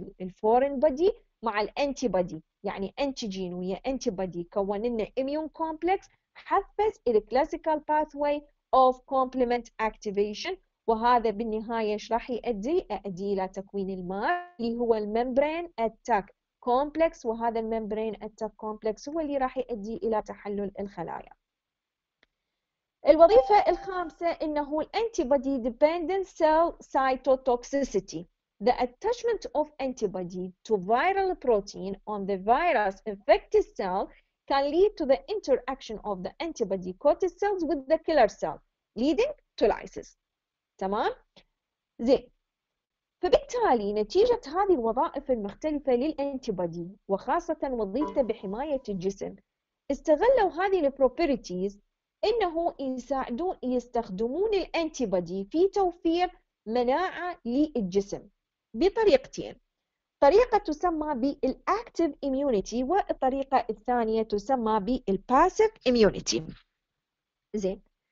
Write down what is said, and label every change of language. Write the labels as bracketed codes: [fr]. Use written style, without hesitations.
[ar] الفورين بودي مع الانتي بودي، يعني انتيجين ويا انتي بودي كون لنا اميون كومبلكس حفز الكلاسيكال باثوي اوف كومبلمنت اكتيفيشن، وهذا بالنهاية ايش راح يؤدي؟ يؤدي إلى تكوين المار اللي هو الممبرين اتاك كومبلكس، وهذا الممبرين اتاك كومبلكس هو اللي راح يؤدي إلى تحلل الخلايا. الوظيفة الخامسة إنه الانتيبادي ديبندنت سيل سايتوتوكسيسيتي. [en] The attachment of antibody to viral protein on the virus infected cell can lead to the interaction of the antibody coated cells with the killer cell leading to lysis. [ar] تمام؟ زين. فبالتالي نتيجة هذه الوظائف المختلفة للأنتيبادي وخاصة وظيفته بحماية الجسم، استغلوا هذه البروبرتيز إنه يساعدون يستخدمون الأنتيبادي في توفير مناعة للجسم بطريقتين، طريقة تسمى بالأكتيف إميونيتي والطريقة الثانية تسمى بالباسيف إميونيتي. زين.